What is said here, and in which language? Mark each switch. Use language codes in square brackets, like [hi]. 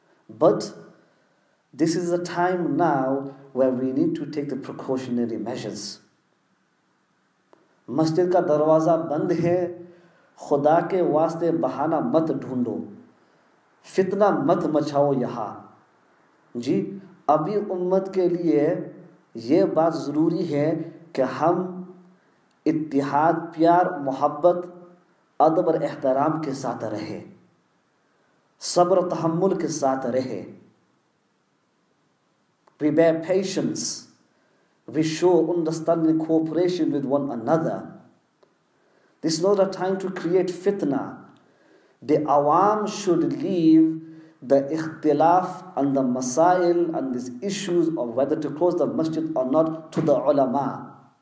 [en] But this is a time now where we need to take the precautionary measures. [ur] مسجد کا دروازہ بند ہے, خدا کے واسطے بہانہ مت ڈھونڈو, فتنہ مت مچھاؤ یہاں. جی ابھی امت کے لیے یہ بات ضروری ہے کہ ہم اتحاد, پیار, محبت, ادب اور احترام کے ساتھ رہے, صبر و تحمل کے ساتھ رہے. [en] We bear patience, we show understanding, cooperation with one another. This is not a time to create fitna. The awam should leave the ikhtilaf and the masail and these issues of whether to close the masjid or not to the ulama.